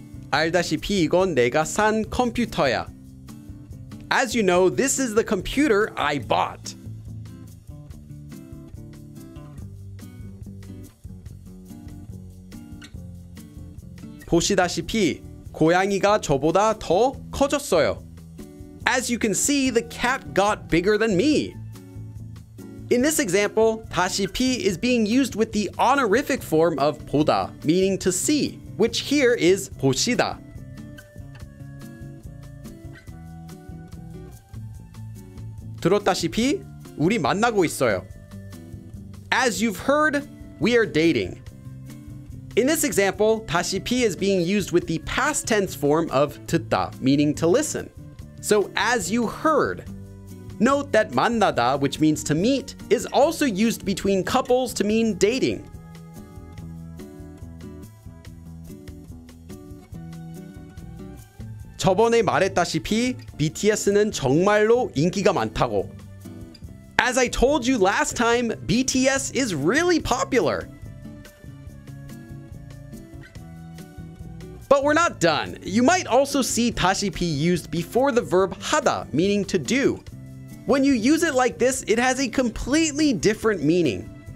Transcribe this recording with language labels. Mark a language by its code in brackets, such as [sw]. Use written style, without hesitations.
[ko] 알다시피 이건 내가 산 컴퓨터야. [en] As you know, this is the computer I bought. [ko] 보시다시피 고양이가 저보다 더 커졌어요. [en] As you can see, the cat got bigger than me. In this example, 다시피 is being used with the honorific form of 보다, meaning to see, which here is 보시다. [ko] 들었다시피 우리 만나고 있어요. [en] As you've heard, we are dating. In this example, 다시피 is being used with the past tense form of 듣다, meaning to listen. So as you heard. Note that 만나다, which means to meet, is also used between couples to mean dating. [ko] 저번에 말했다시피 BTS는 정말로 인기가 많다고. [en] As I told you last time, BTS is really popular. But we're not done. You might also see 다시피 used before the verb 하다, meaning to do. When you use it like this, it has a completely different meaning.